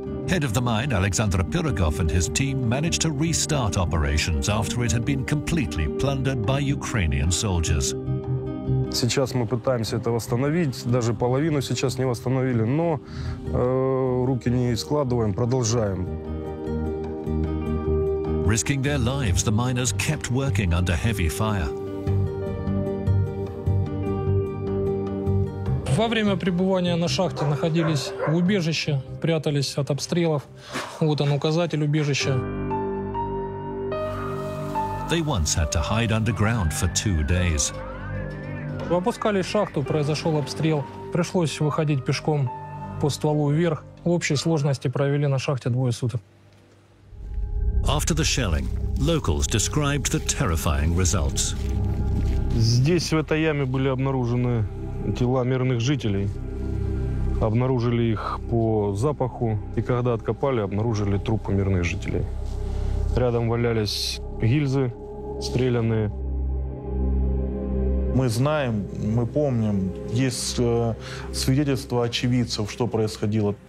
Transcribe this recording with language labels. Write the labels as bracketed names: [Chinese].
[English] Head of the mine, Alexander Pirogov, and his team managed to restart operations after it had been completely plundered by Ukrainian soldiers. [Russian] Сейчас мы пытаемся это восстановить, даже половину сейчас не восстановили, но руки не складываем, продолжаем. [English] Risking their lives, the miners kept working under heavy fire. [Russian] Во время пребывания на шахте находились в убежище, прятались от обстрелов. Вот он, указатель убежища. [English] They once had to hide underground for two days. [Russian] Опускали шахту, произошел обстрел. Пришлось выходить пешком по стволу вверх. В общей сложности провели на шахте двое суток. [English] After the shelling, locals described the terrifying results. [Russian] Здесь, в этой яме, были обнаружены тела мирных жителей. Обнаружили их по запаху. И когда откопали, обнаружили трупы мирных жителей. Рядом валялись гильзы стреляные. Мы знаем, мы помним, есть свидетельства очевидцев, что происходило.